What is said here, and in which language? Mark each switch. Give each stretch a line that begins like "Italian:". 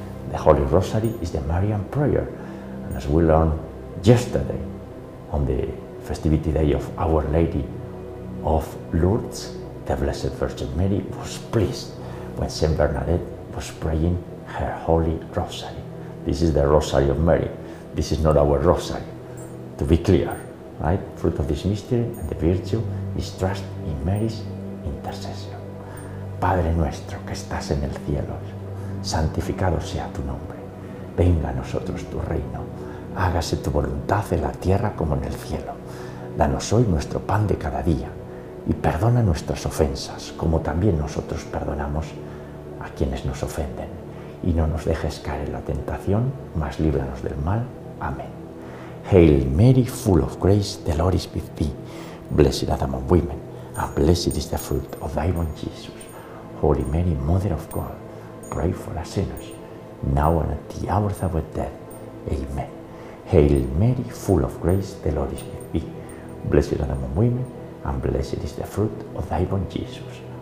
English: The Holy Rosary is the Marian prayer, and as we learned yesterday on the festivity day of Our Lady of Lourdes, the Blessed Virgin Mary was pleased when Saint Bernadette was praying her Holy Rosary. This is the Rosary of Mary. This is not our Rosary, to be clear, right? Fruit of this mystery and the virtue is trust in Mary's intercession.
Spanish: Padre nuestro que estás en el cielo, santificado sea tu nombre. Venga a nosotros tu reino. Hágase tu voluntad en la tierra como en el cielo. Danos hoy nuestro pan de cada día. Y perdona nuestras ofensas, como también nosotros perdonamos a quienes nos ofenden. Y no nos dejes caer en la tentación, mas líbranos del mal. Amén.
English: Hail Mary, full of grace, the Lord is with thee. Blessed art thou among women, and blessed is the fruit of thy womb, Jesus. Holy Mary, Mother of God, pray for us sinners, now and at the hour of our death. Amen. Hail Mary, full of grace, the Lord is with thee. Blessed art thou among women, and blessed is the fruit of thy womb, Jesus.